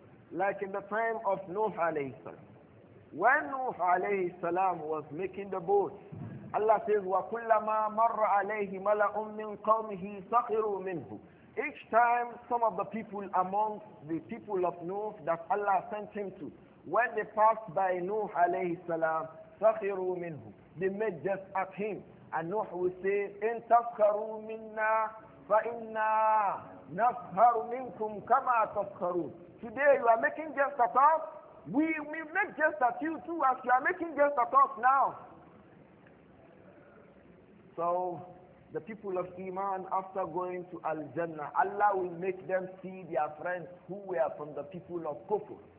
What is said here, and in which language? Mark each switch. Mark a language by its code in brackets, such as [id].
[en] Like in the time of Nuh alayhi salam. When Nuh alayhi salam was making the boat, Allah says, [ar] وَكُلَّمَا مَرَّ عَلَيْهِ مَلَأٌ مِّن قَوْمِهِ سَخِرُوا مِنْهُ. [en] Each time some of the people among the people of Nuh that Allah sent him to, when they passed by Nuh alayhi salam, [ar] سَخِرُوا مِنْهُ. [en] They made jest at him. And Nuh will say, [ar] إِن تَسْخَرُوا مِنَّا فَإِنَّا نَسْخَرُ مِنْكُمْ كَمَا تَسْخَرُونَ. [en] Today you are making jest at us. We make jest at you too as you are making jest at us now. So, the people of Iman, after going to Al-Jannah, Allah will make them see their friends who were from the people of Kufr.